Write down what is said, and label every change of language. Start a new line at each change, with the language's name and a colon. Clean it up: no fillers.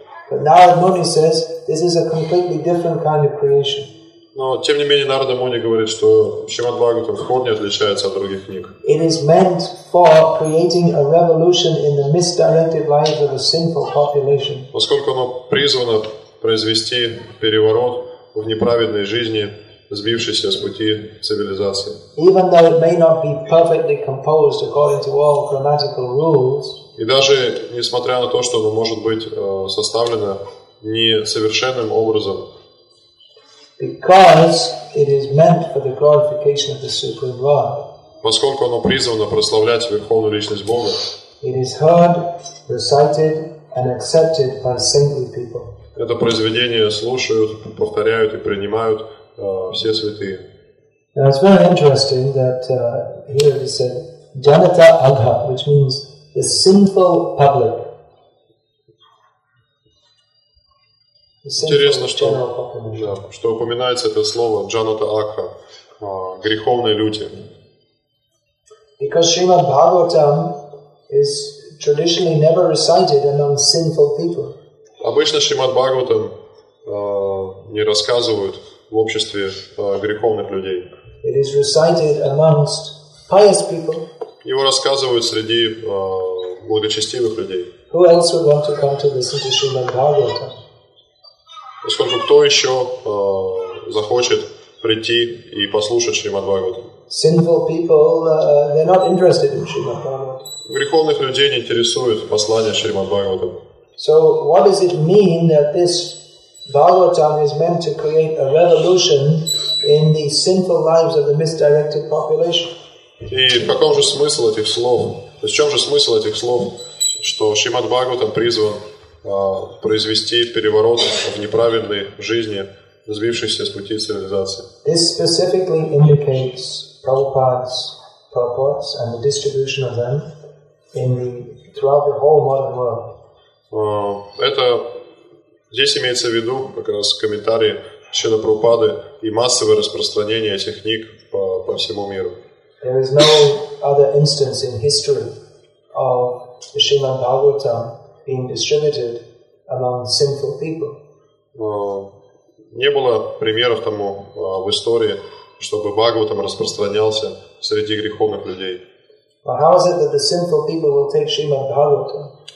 English: But Narada Muni says this is a completely different kind of creation.
Russian: Но тем не менее Нарада Муни говорит, что Шримад Бхагаватам в корне отличается от других книг.
English: It is meant for creating a revolution in the misdirected lives of a sinful population.
Russian: Поскольку оно призвано произвести переворот в неправедной жизни сбившейся с пути цивилизации.
English: Even though it may not be perfectly composed according to all grammatical rules.
Russian: И даже несмотря на то, что оно может быть составлено несовершенным образом.
English: Because it is meant for the glorification of the Supreme Lord.
Russian: Поскольку оно призвано прославлять Верховную Личность Бога.
English: It is heard, recited and accepted by saintly people.
Russian: Это произведение слушают, повторяют и принимают все святые.
English: Now it's very interesting that here it said Janata Agha, which means the sinful public.
Russian: Интересно, что, да, что упоминается это слово Джаната Акха, греховные люди.
English: Because Srimad Bhagavatam is traditionally never recited among sinful people.
Russian: Обычно Шримад Бхагаватам не рассказывают в обществе греховных людей.
English: It is recited amongst pious people.
Russian: Его рассказывают среди благочестивых людей.
English: Who else would want to come to listen to Srimad Bhagavatam?
Russian: Поскольку кто еще захочет прийти и послушать Шримад Бхагаватам?
English: Sinful people, they're not interested in Srimad Bhagavatam.
Russian: Греховных людей не интересует послание Шримад Бхагаватам.
English: So what does it mean that this Bhagavatam is meant to create a revolution in the sinful lives of the misdirected population.
Russian: И в каком же смысл этих слов? То есть в чем же смысл этих слов, что Шримад Бхагаватам призван произвести переворот в неправильной жизни, сбившейся с пути цивилизации?
English: This specifically indicates Prabhupada's purports and the distribution of them in the throughout the whole modern world.
Russian: Это здесь имеется в виду как раз комментарии Шрила Прабхупады и массовое распространение этих книг по всему миру.
English: There is no other instance in history of the Srimad Bhagavatam being distributed among sinful people.
Russian: Не было примеров тому в истории, чтобы Бхагаватам распространялся среди греховных людей.
English: But how is it that the sinful people will take Srimad Bhagavatam?